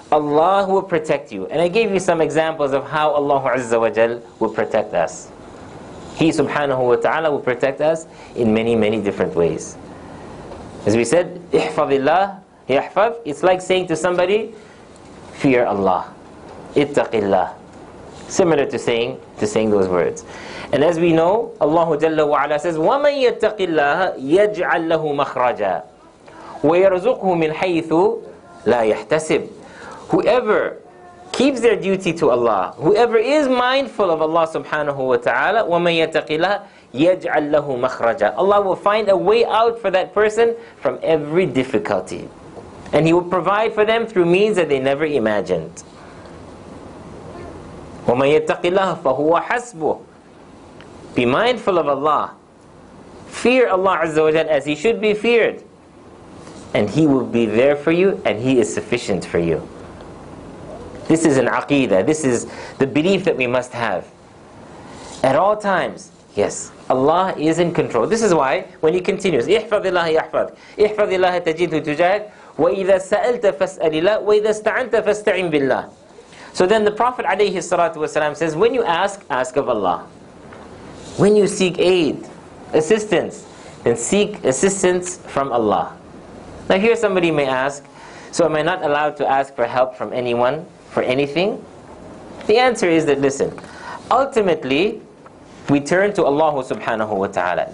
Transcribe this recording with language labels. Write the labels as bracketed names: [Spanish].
[English] Allah will protect you. And I gave you some examples of how Allah Azza wa Jal will protect us. He subhanahu wa ta'ala will protect us in many, many different ways. As we said, [Arabic] ihfazillah yahfaz, [English] it's like saying to somebody, fear Allah, [Arabic] ittaqillah. [English] Similar to saying those words. And as we know, Allah Jalla wa Ala says, [Arabic] وَمَنْ يَتَّقِ اللَّهَ يَجْعَلْ لَهُ مَخْرَجًا وَيَرْزُقْهُ مِنْ حَيْثُ لَا يَحْتَسِبْ. [English] Whoever keeps their duty to Allah, whoever is mindful of Allah subhanahu wa ta'ala, [Arabic] وَمَنْ يَتَّقِ اللَّهَ يَجْعَلْ لَهُ مَخْرَجًا. [English] Allah will find a way out for that person from every difficulty. And He will provide for them through means that they never imagined. [Arabic] وَمَنْ يَتَّقِ اللَّهَ فَهُوَ حَسْبُهُ. [English] Be mindful of Allah. Fear Allah Azza wa Jalla as He should be feared. And He will be there for you, and He is sufficient for you. This is an aqeedah. This is the belief that we must have. At all times, yes, Allah is in control. This is why when He continues, [Arabic] إِحْفَظِ اللَّهَ يَحْفَظُ إِحْفَظِ اللَّهَ تَجِدْهُ تُجَاهِدْ وَإِذَا سَأَلْتَ فَاسْأَلِ اللَّهِ وَإِذَا اسْتَعَنْتَ فَاسْتَعِنْ بِاللَّهِ. [English] So then the Prophet alayhi salatu wasalam says, when you ask, ask of Allah. When you seek aid, assistance, then seek assistance from Allah. Now here somebody may ask, so am I not allowed to ask for help from anyone, for anything? The answer is that, listen, ultimately, we turn to Allah subhanahu wa ta'ala.